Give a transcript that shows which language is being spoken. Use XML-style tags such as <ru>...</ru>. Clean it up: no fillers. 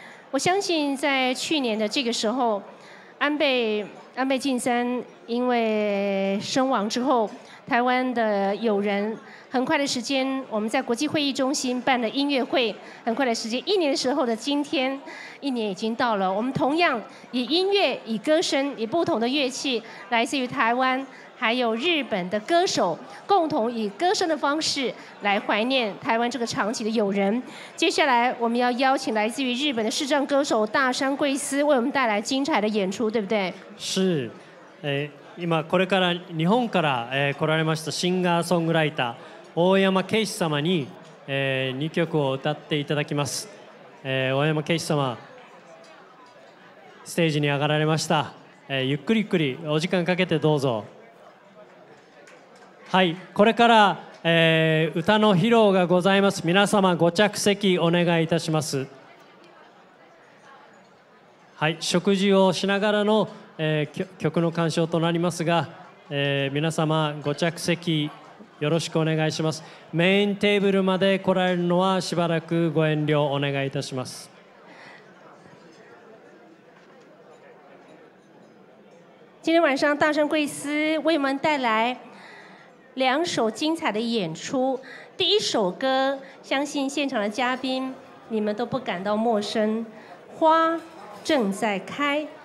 <zh>我相信在去年的这个时候，安倍晋三因为身亡之后，台湾的友人很快的时间，我们在国际会议中心办了音乐会，很快的时间，一年的时候的今天，一年已经到了。我们同样以音乐、以歌声、以不同的乐器，来自于台湾。还有日本的歌手共同以歌声的方式来怀念台湾这个长期的友人。接下来我们要邀请来自于日本的视障歌手大山贵司为我们带来精彩的演出，对不对？</zh> <ja>是，今これから日本から、来られましたシンガーソングライター大山啓司様に、2曲を歌っていただきます。大山啓司様、ステージに上がられました。ゆっくりゆっくりお時間かけてどうぞ。はい、これから、歌の披露がございます。皆様ご着席お願いいたします。はい、食事をしながらの、曲の鑑賞となりますが、皆様ご着席よろしくお願いします。メインテーブルまで来られるのはしばらくご遠慮お願いいたします。</ja> <zh>今天晚上大山贵司为我们带来两首精彩的演出，第一首歌相信现场的嘉宾你们都不感到陌生，花正在开。</zh>